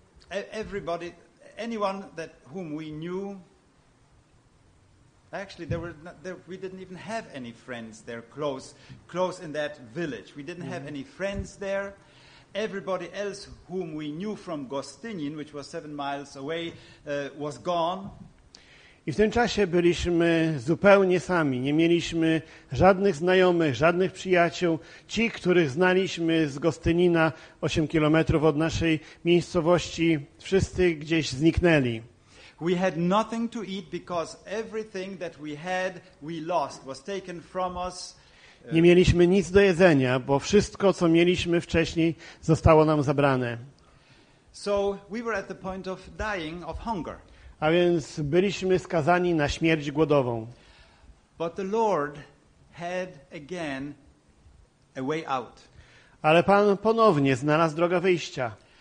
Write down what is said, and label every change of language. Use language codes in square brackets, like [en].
[en] Everybody, anyone that whom we knew. Actually, we didn't even have any friends there close in that village. We didn't have any friends there. Everybody else whom we knew from Gostynin, which was 7 miles away, was gone. [pl] I w tym czasie byliśmy zupełnie sami. Nie mieliśmy żadnych znajomych, żadnych przyjaciół. Ci, których znaliśmy z Gostynina, 8 kilometrów od naszej miejscowości, wszyscy gdzieś zniknęli. [en] We had nothing to eat, because everything that we had, we lost, was taken from us. [pl] Nie mieliśmy nic do jedzenia, bo wszystko, co mieliśmy wcześniej, zostało nam zabrane. [en] So we were at the point of dying of hunger. [pl] A więc byliśmy skazani na śmierć głodową. [en] But the Lord had again a way out. [pl] Ale Pan ponownie znalazł drogę wyjścia.